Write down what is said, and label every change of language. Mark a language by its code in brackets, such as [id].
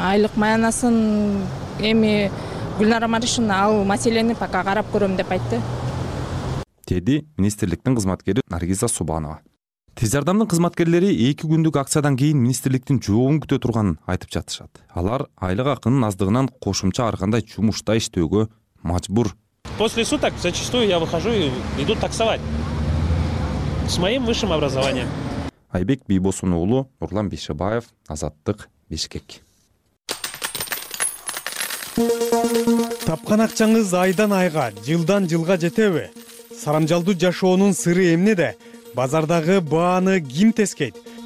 [ky] Айлык маянасын эми Гүлнара Маришина ал маселени пока карап көрөм деп айтты. Деди министрликтин кызматкери Наргиза Субанова. Тез жардамдын кызматкерлери 2 күндүк акциядан кийин министрликтин жообун күтө турганын айтып жатышат. Алар айлык акынын аздыгынан кошумча ар кандай жумушта иштөөгө мажбур. [ru] После суток зачастую я выхожу и иду таксовать. С моим высшим образованием. [ky] Айбек Бийбосун уулу, Нурлан Бишебаев, Азаттык, Бишкек. Тапкан акчаңыз айдан айга, жылдан жылга жетеби? Сарамжалдуу жашоонун сыры эмнеде? Базардагы бааны ким тескейт?